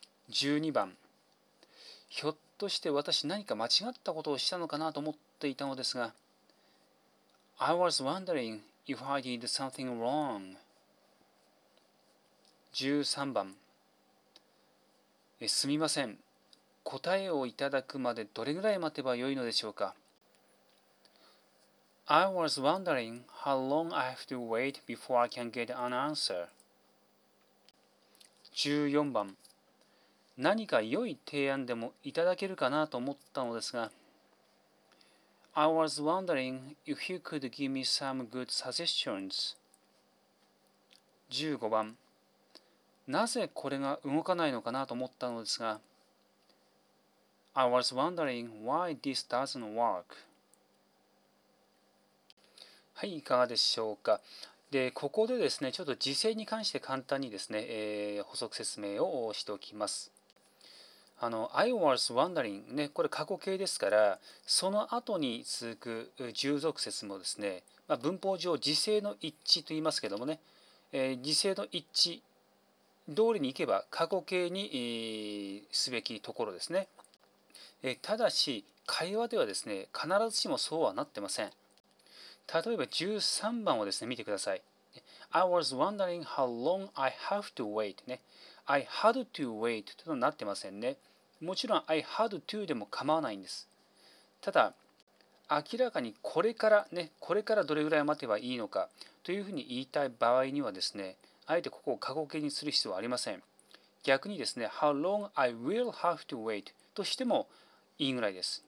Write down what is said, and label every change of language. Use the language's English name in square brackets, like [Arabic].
[Japanese] 12番、ひょっとして私何か間違ったことをしたのかなと思っていたのですが、 [English] I was wondering if I did something wrong. [Japanese] 13番、すみません、答えをいただくまでどれぐらい待てばよいのでしょうか。 [English] I was wondering how long I have to wait before I can get an answer. [Japanese] 14番、何か良い提案でもいただけるかなと思ったのですが、 [English] I was wondering if you could give me some good suggestions. [Japanese] 15番、なぜこれが動かないのかなと思ったのですが、 [English] I was wondering why this doesn't work. [Japanese] はい、いかがでしょうか。で、ここでですね、ちょっと時制に関して簡単にですね、補足説明をしておきます。 [English] I was wondering [Japanese] ね、これ過去形ですから、その後に続く従属節もですね、まあ、文法上時制の一致と言いますけどもね、時制の一致通りにいけば過去形に、すべきところですね。ただし会話ではですね、必ずしもそうはなってません。例えば13番をですね、見てください。 [English] I was wondering how long I have to wait、ね、I had to wait [Japanese] というのになってませんね。もちろん [English] I had to [Japanese] でも構わないんです。ただ明らかにこれからね、これからどれぐらい待てばいいのかというふうに言いたい場合にはですね、あえてここを過去形にする必要はありません。逆にですね、 [English] How long I will have to wait [Japanese] としてもいいぐらいです。